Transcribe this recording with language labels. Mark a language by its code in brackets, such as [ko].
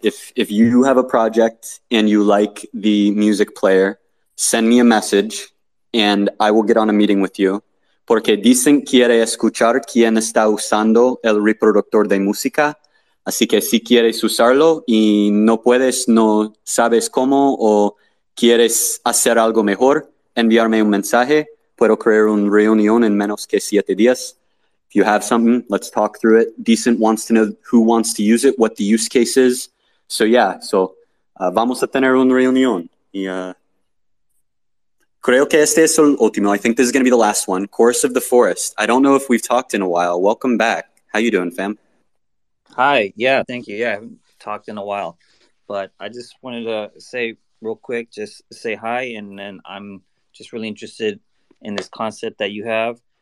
[en] If you have a project and you like the music player, send me a message and I will get on a meeting with you. [es] Porque dicen quiere escuchar quién está usando el reproductor de música. Así que si quieres usarlo y no puedes, no sabes cómo o quieres hacer algo mejor, enviarme un mensaje. Puedo crear una reunión en menos que 7 días. [en] If you have something, let's talk through it. Decent wants to know who wants to use it, what the use case is. So yeah, so [es] vamos a tener una reunión. Y, creo que este es el último. [en] I think this is going to be the last one. Chorus of the Forest. I don't know if we've talked in a while. Welcome back. How you doing, fam? Hi. Yeah, thank you. Yeah, I haven't talked in a while. But I just wanted to say real quick, just say hi. And then I'm just really interested in this concept that you have.